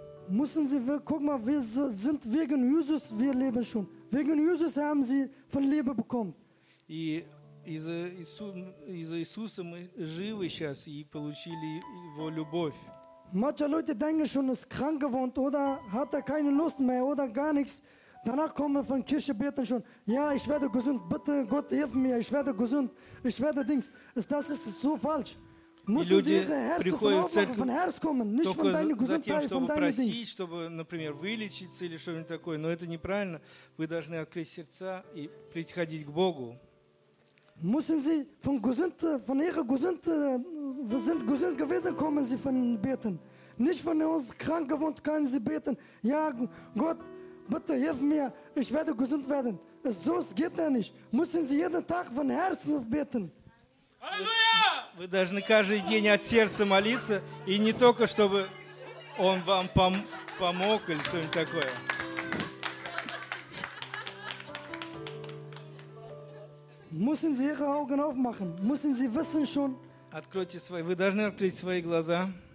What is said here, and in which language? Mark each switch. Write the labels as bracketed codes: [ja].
[de] Müssen Sie, guck mal, wir sind wegen Jesus, wir leben schon. Wegen Jesus haben Sie von Leben bekommen. [ru] И из-за Иисуса мы живы сейчас и получили его любовь. [de] Manche Leute denken schon, ist krank geworden oder hat er keine Lust mehr oder gar nichts. Danach kommen von Kirche beten schon. Ja, ich werde gesund. Bitte, Gott, hilf mir. Ich werde gesund. Ich werde Dings. Das ist so falsch. Müssen люди Sie Ihre Herzen von Aufmachen, von Herz kommen, nicht von deiner Gesundheit, von deinen Dings. [ru] Чтобы, например, вылечиться или что-нибудь такое. Но это неправильно. Вы должны открыть сердца и приходить к Богу. [de] Müssen Sie von gesund, von Ihrer Gesundheit, sind gesund gewesen, kommen Sie von beten. Nicht von uns krank geworden, können Sie beten. Ja, Gott, bitte hilf mir, ich werde gesund werden. So geht das nicht. Müssen Sie jeden Tag von Herzen beten. Halleluja! [ru] Вы должны каждый день от сердца молиться, и не только, чтобы он вам помог или что-нибудь такое. [de] Müssen Sie Ihre Augen aufmachen. Müssen Sie wissen schon. [ru] Откройте свои, вы должны открыть свои глаза.